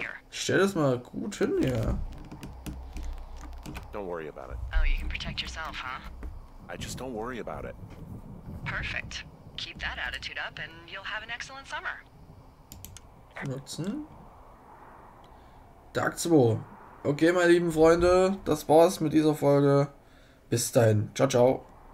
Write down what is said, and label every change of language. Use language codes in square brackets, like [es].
[de] Stell das mal gut hin hier. [en] Don't worry about it. Oh, you can protect yourself, huh? I just don't worry about it. Perfect. Keep that attitude up and you'll have an excellent summer. [de] Nutzen. Tag 2. Okay, meine lieben Freunde, das war's mit dieser Folge. Bis dahin. Ciao, ciao.